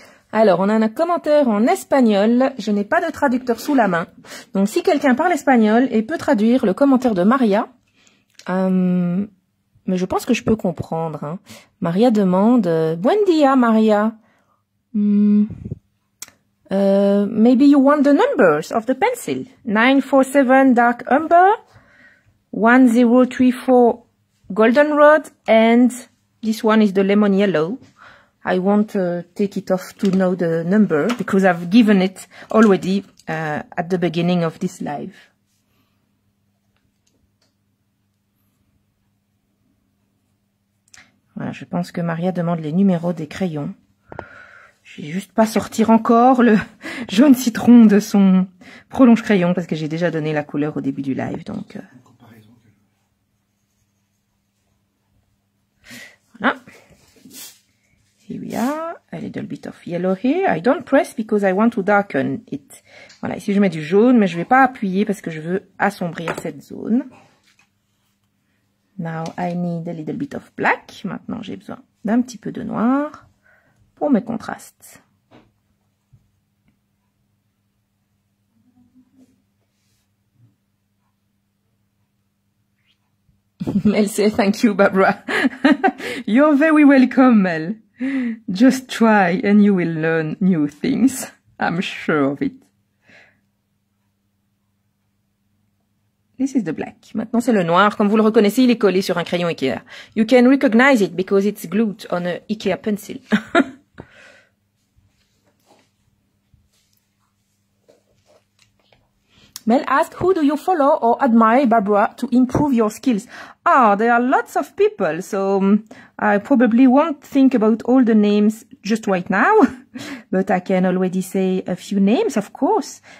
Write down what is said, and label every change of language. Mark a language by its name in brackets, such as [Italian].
[French] Alors, on a un commentaire en espagnol. Je n'ai pas de traducteur sous la main. Donc, si quelqu'un parle espagnol et peut traduire le commentaire de Maria, mais je pense que je peux comprendre. Hein. Maria demande, [Spanish] Buen día, [French] Maria. [English] Maybe you want the numbers of the pencil. 947 dark umber, 1034 goldenrod, and this one is the lemon yellow. I won't take it off to know the number because I've given it already at the beginning of this live. [French] Voilà, je pense que Maria demande les numéros des crayons. Je vais juste pas sortir encore le jaune citron de son prolonge crayon parce que j'ai déjà donné la couleur au début du live. Donc, voilà. [English] Here we are, a little bit of yellow here. I don't press because I want to darken it. [French] Voilà, ici je mets du jaune, mais je ne vais pas appuyer parce que je veux assombrir cette zone. [English] Now I need a little bit of black. [French] Maintenant, j'ai besoin d'un petit peu de noir pour mes contrastes. [English] Mel say thank you, Barbara. You're very welcome, Mel. Just try and you will learn new things. I'm sure of it. This is the black. [French] Maintenant, c'est le noir. Comme vous le reconnaissez, il est collé sur un crayon IKEA. [English] You can recognize it because it's glued on an IKEA pencil. Mel asks, who do you follow or admire, Barbara, to improve your skills? Ah, there are lots of people, so I probably won't think about all the names just right now, but I can already say a few names, of course.